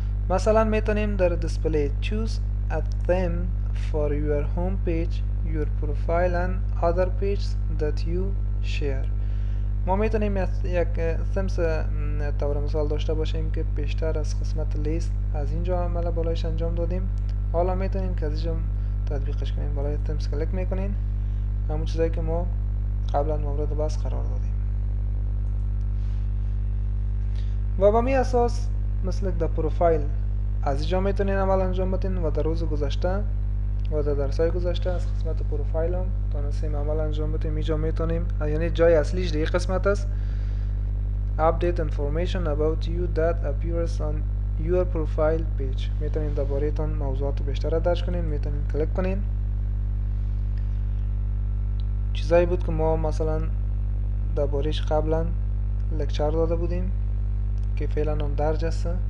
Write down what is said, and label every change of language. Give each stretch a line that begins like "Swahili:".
Persian: مثلا میتونیم در
English: display choose a theme for your home page, your profile and other pages that you share.
Persian: ما میتونیم یک سمس طور مثال داشته باشیم که بیشتر از قسمت لیست از اینجا عمل بالایش انجام دادیم. حالا میتونیم که از اینجا تطبیقش کنیم، بالای سمس کلک میکنین همون چیزایی که ما قبلا مورد بحث قرار دادیم. و به می اساس مثل دا پروفایل از جا میتونین عمل انجام بدین و در روز گذشته و در درسای گذشته از قسمت پروفایل هم تونستیم عمل انجام بدیم. اینجا میتونیم یعنی جای اصلیش دیگه قسمت است
English: update information about you that appears on your profile page.
Persian: میتونین دوباره تون موضوعات بیشتر درج کنین، میتونین کلیک کنین. چیزایی بود که ما مثلا دربارهش قبلا لکچر داده بودیم که فعلا هم درج است.